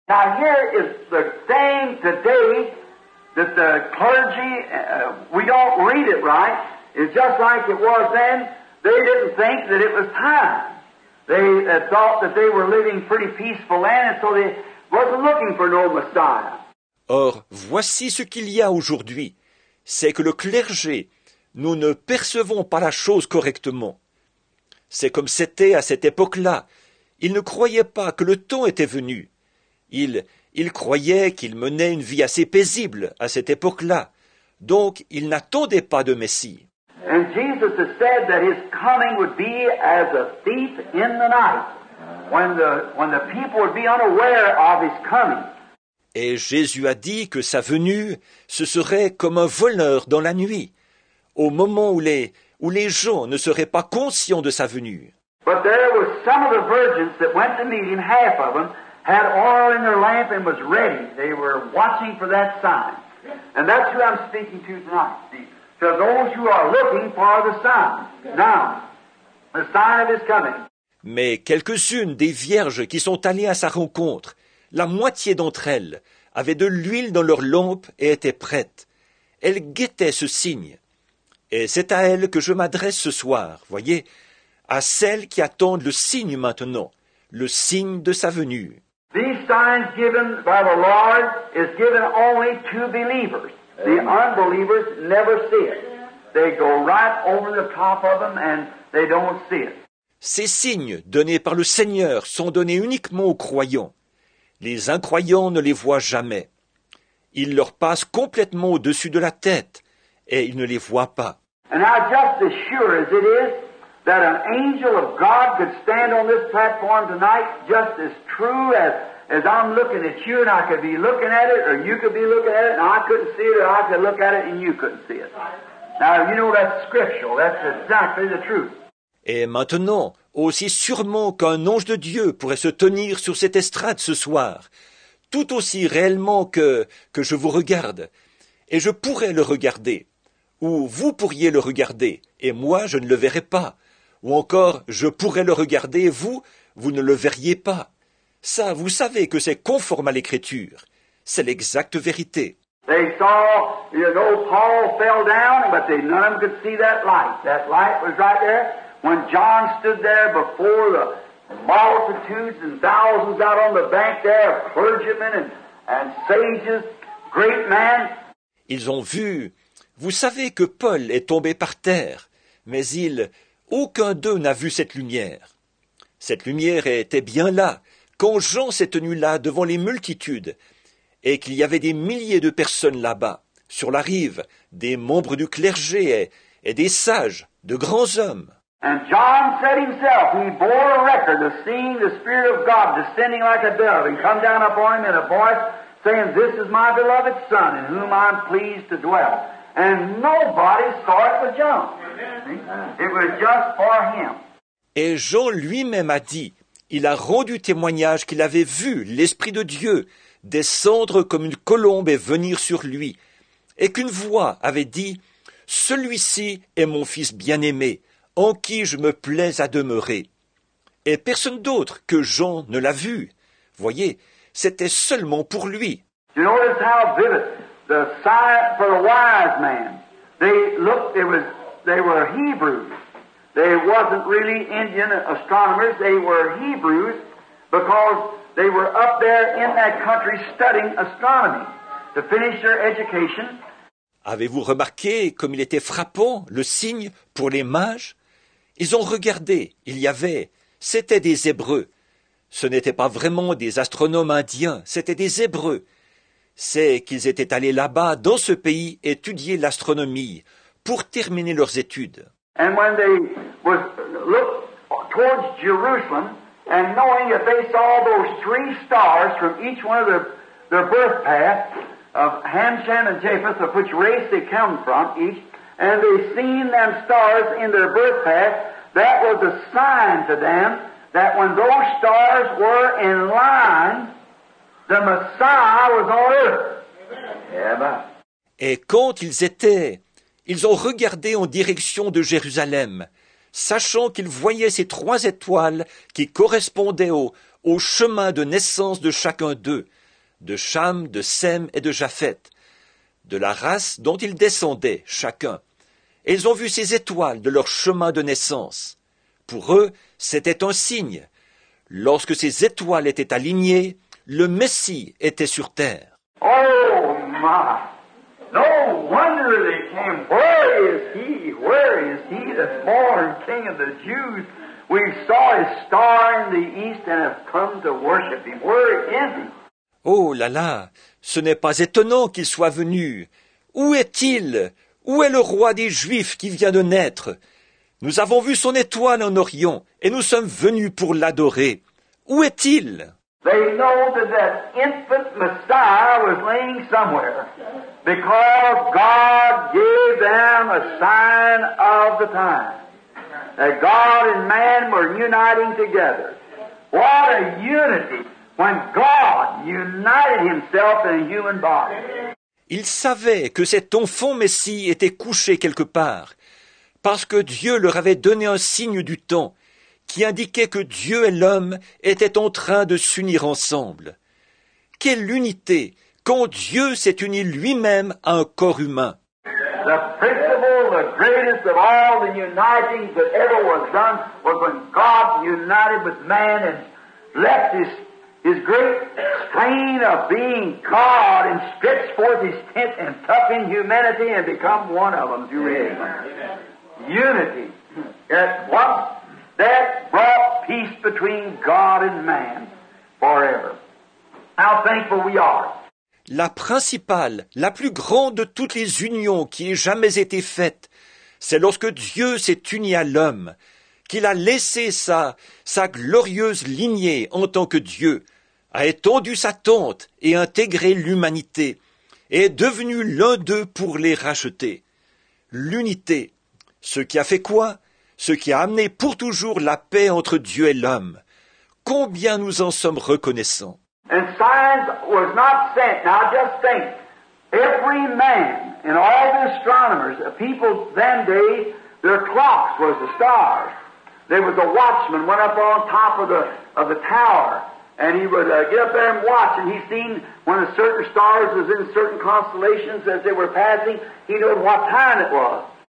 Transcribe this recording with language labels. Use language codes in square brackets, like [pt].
[en] Now here is the thing today. That the clergy, we don't read it right. It's just like it was then. They didn't think that it was time. They thought that they were living pretty peaceful then, and so they wasn't looking for no Messiah. [fr] Or, voici ce qu'il y a aujourd'hui. C'est que le clergé, nous ne percevons pas la chose correctement. C'est comme c'était à cette époque-là. Ils ne croyaient pas que le temps était venu. Il croyait qu'il menait une vie assez paisible à cette époque-là. Donc, il n'attendait pas de Messie. [en] And Jesus has said that his coming would be as a thief in the night, when the people would be unaware of his coming. [fr] Et Jésus a dit que sa venue, ce serait comme un voleur dans la nuit, au moment où les gens ne seraient pas conscients de sa venue. [en] But there were some of the virgins that went to meet him, half of them, had oil in their lamp and was ready. They were watching for that sign. And that's who I'm speaking to tonight. To those who are looking for the sign. Now, the sign of his coming. [fr] Mais quelques-unes des vierges qui sont allées à sa rencontre, la moitié d'entre elles, avaient de l'huile dans leur lampe et étaient prêtes. Elles guettaient ce signe. Et c'est à elles que je m'adresse ce soir, voyez, à celles qui attendent le signe maintenant, le signe de sa venue. [en] These signs given by the Lord is given only to believers. The unbelievers never see it. They go right over the top of them and they don't see it. [fr] Ces signes donnés par le Seigneur sont donnés uniquement aux croyants. Les incroyants ne les voient jamais. Ils leur passent complètement au-dessus de la tête et ils ne les voient pas. [en] And I'm just as sure as it is that an angel of God could stand on this platform tonight just as true as I'm looking at you, and I could be looking at it, or you could be looking at it, and I couldn't see it, or I could look at it, and you couldn't see it. Now, you know that's scriptural. That's exactly the truth. [fr] Et maintenant, aussi sûrement qu'un ange de Dieu pourrait se tenir sur cette estrade ce soir, tout aussi réellement que je vous regarde, et je pourrais le regarder, ou vous pourriez le regarder, et moi, je ne le verrai pas. Ou encore, je pourrais le regarder, et vous ne le verriez pas. Ça, vous savez que c'est conforme à l'Écriture. C'est l'exacte vérité. [en] They saw, you know, Paul fell down, but none of them could see that light. That light was right there. When John stood there before the multitudes and thousands out on the bank there, of clergymen and sages, great men. [fr] Ils ont vu. Vous savez que Paul est tombé par terre, mais aucun d'eux n'a vu cette lumière. Cette lumière était bien là, quand Jean s'est tenu là devant les multitudes, et qu'il y avait des milliers de personnes là-bas, sur la rive, des membres du clergé et des sages, de grands hommes. [en] And John said himself, he bore a record of seeing the Spirit of God descending like a dove and come down upon him in a voice saying, "This is my beloved Son in whom I'm pleased to dwell." And nobody saw it but John. It was just for him. [fr] Et Jean lui-même a dit, il a rendu témoignage qu'il avait vu l'Esprit de Dieu descendre comme une colombe et venir sur lui, et qu'une voix avait dit, « Celui-ci est mon Fils bien-aimé, en qui je me plais à demeurer. » Et personne d'autre que Jean ne l'a vu. Voyez, c'était seulement pour lui. [en] You notice how vivid the sight for the wise man. They looked, they were Hebrews. They wasn't really Indian astronomers, they were Hebrews, because they were up there in that country studying astronomy to finish their education. [fr] Avez-vous remarqué comme il était frappant le signe pour les mages? Ils ont regardé, il y avait, c'était des Hébreux. Ce n'étaient pas vraiment des astronomes indiens, c'était des Hébreux. C'est qu'ils étaient allés là-bas, dans ce pays, étudier l'astronomie pour terminer leurs études. [en] And when they was looked towards Jerusalem, and knowing that they saw those three stars from each one of their birth paths of Ham, Shem, and Japheth, of which race they come from each, and they seen them stars in their birth path, that was a sign to them that when those stars were in line, the Messiah was on earth. Amen. [fr] Et quand ils étaient, ils ont regardé en direction de Jérusalem, sachant qu'ils voyaient ces trois étoiles qui correspondaient au chemin de naissance de chacun d'eux, de Cham, de Sem et de Japhet, de la race dont ils descendaient chacun. Et ils ont vu ces étoiles de leur chemin de naissance. Pour eux, c'était un signe. Lorsque ces étoiles étaient alignées, le Messie était sur terre. [en] Oh, ma! No wonder they came. Where is he? Where is he that's born King of the Jews? We saw his star in the east and have come to worship him. Where is he? [fr] Oh là là, ce n'est pas étonnant qu'il soit venu. Où est-il? Où est le roi des Juifs qui vient de naître? Nous avons vu son étoile en Orient et nous sommes venus pour l'adorer. Où est-il? [en] They know that that infant Messiah was laying somewhere. Because God gave them a sign of the time. That God and man were uniting together. What a unity when God united himself in a human body. [fr] Ils savaient que cet enfant Messie était couché quelque part, parce que Dieu leur avait donné un signe du temps qui indiquait que Dieu et l'homme étaient en train de s'unir ensemble. Quelle unité quand Dieu s'est uni lui-même à un corps humain. [en] The principle, the greatest of all the uniting that ever was done was when God united with man and left his great strain of being God and stretched forth his tent and took in humanity and become one of them. You read. Unity. At once. That brought peace between God and man forever. How thankful we are. [fr] La principale, la plus grande de toutes les unions qui aient jamais été faites, c'est lorsque Dieu s'est uni à l'homme, qu'il a laissé sa glorieuse lignée en tant que Dieu, a étendu sa tente et intégré l'humanité, et est devenu l'un d'eux pour les racheter. L'unité, ce qui a fait quoi? Ce qui a amené pour toujours la paix entre Dieu et l'homme. Combien nous en sommes reconnaissants. [en] And signs was not sent. Now just think, every man and all the astronomers, the people then day, their clocks was the stars. There was a watchman went up on top of the tower, and he would get up there and watch, and he seen when a certain stars was in certain constellations as they were passing, he knew what time it was.